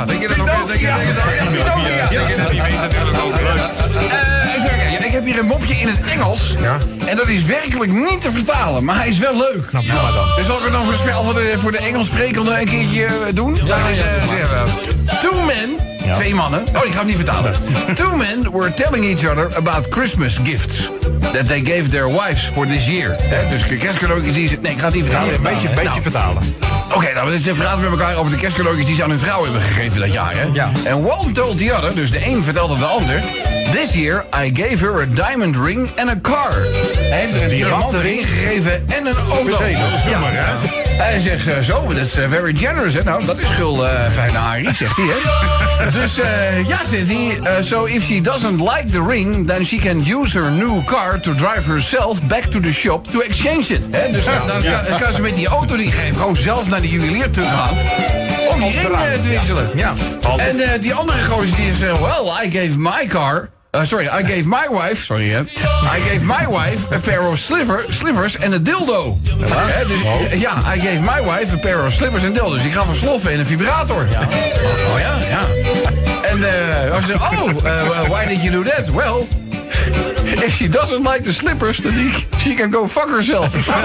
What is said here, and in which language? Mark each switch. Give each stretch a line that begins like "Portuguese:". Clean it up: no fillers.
Dutch: Ik heb hier een mopje in het Engels. Ja? En dat is werkelijk niet te vertalen, maar hij is wel leuk. Nou, ja, dan. Dus zal ik het dan voor de Engels sprekende een keertje doen? Ja, dat is zeer wel.
English: Two men.
Dutch: Ja. Twee mannen. Oh, ik ga het niet vertalen.
English: Two men were telling each other about Christmas gifts that they gave their wives for this year.
Dutch: Ja. Dus kerstcadeautjes die ze... Nee, ik ga het niet vertalen. Een beetje vertalen. Oké, nou, ze praten met elkaar over de kerstcadeautjes die ze aan hun vrouw hebben gegeven dat jaar, hè? Ja. En
English: one told the other,
Dutch: dus de een vertelde de ander...
English: This year I gave her a diamond ring and a car.
Dutch: Hij heeft een diamanten ring gegeven en een auto. Hij zegt zo, dat is
English: very generous.
Dutch: Hè? Nou, dat is gulden fijne Harry, zegt hij. Dus ja, zegt hij.
English: So if she doesn't like the ring, then she can use her new car to drive herself back to the shop to exchange it.
Dutch: Hè? Dus dan kan ze met die auto die geeft gewoon zelf naar de juwelier terug gaan. Om die ring te wisselen. Ja. Ja. En die andere gozer die zegt,
English: well, I gave my car. I gave my wife a pair of slippers
Dutch: en een dildo.
English: I gave my wife a pair of slippers
Dutch: en dildo. Dus ik gaf een sloffen en een vibrator. Ja. En ze zei,
English: why did you do that? Well, if she doesn't like the slippers, then she can go fuck herself.